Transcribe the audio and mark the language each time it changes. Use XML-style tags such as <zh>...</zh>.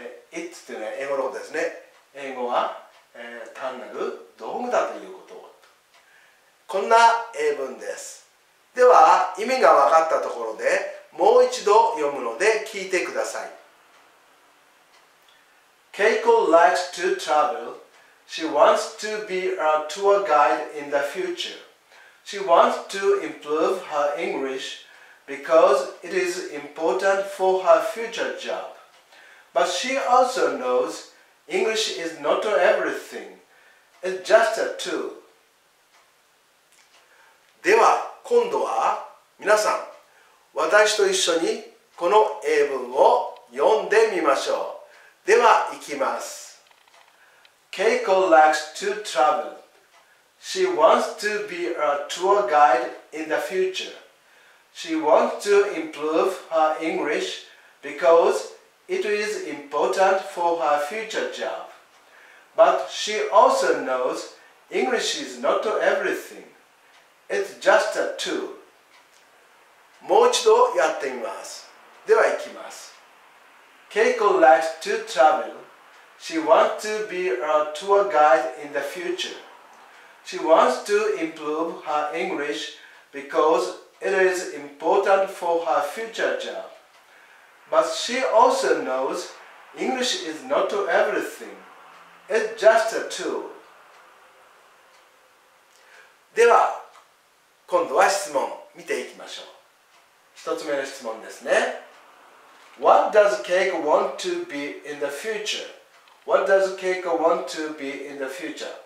<ja>It っていうのは英語のことですね。英語は、単なる道具だということ。こんな英文です。では意味が分かったところでもう一度読むので聞いてください。</ja> <en>Keiko likes to travel. She wants to be a tour guide in the future. She wants to improve her English because it is important for her future job. But she also knows English is not everything. It's just a tool.</en> <ja>では今度は皆さん、私と一緒にこの英文を読んでみましょう。では行きます。</ja> <en>Keiko likes to travel. She wants to be a tour guide in the future. She wants to improve her English becauseIt is important for her future job. But she also knows English is not everything. It's just a tool.</en> <ja>もう一度やってみます。では行きます。</ja> <en>Keiko likes to travel. She wants to be a tour guide in the future. She wants to improve her English because it is important for her future job. But she also knows English is not everything. It's just a tool.</en> <ja>では、今度は質問見ていきましょう。一つ目の質問ですね。</ja> <en>What does Keiko want to be in the future? What does Keiko want to be in the future?</en>